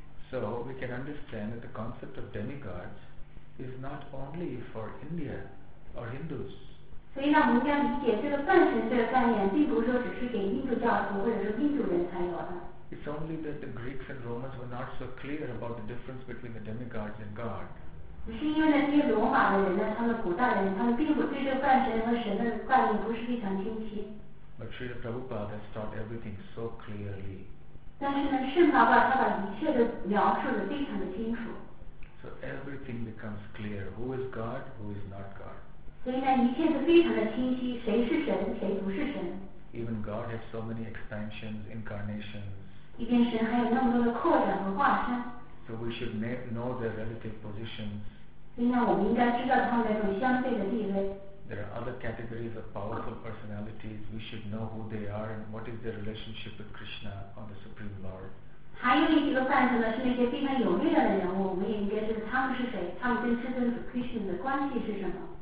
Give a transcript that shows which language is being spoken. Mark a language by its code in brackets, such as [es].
[en] So we can understand that the concept of demigods is not only for India or Hindus. [zh] 所以呢，我们要理解这个半神这个概念，并不是说只是给印度教徒或者是印度人才有的。 [en] It's only that the Greeks and Romans were not so clear about the difference between the demigods and God. [zh] 不是因为那些罗马的人呢，他们古代人，他们并不对这半神和神的概念不是非常清晰。 [en] But Srila Prabhupada has taught everything so clearly. [zh] 但是呢，圣巴巴他把一切的描述的非常的清楚。 [en] So everything becomes clear. Who is God? Who is not God? [zh] 所以呢，一切都非常的清晰，谁是神，谁不是神。 [en] Even God has so many expansions, incarnations. [zh] 一边神还有那么多的扩展和化身。 [en] So we should know their relative positions. [zh] 所以呢，我们应该知道他们那种相对的地位。 [en] There are other categories of powerful personalities. We should know who they are and what is their relationship with Krishna or the Supreme Lord. [zh] 还有一个范畴呢，是那些非常有力量的人物，我们也应该知道他们是谁，他们跟至尊主 Krishna 的关系是什么。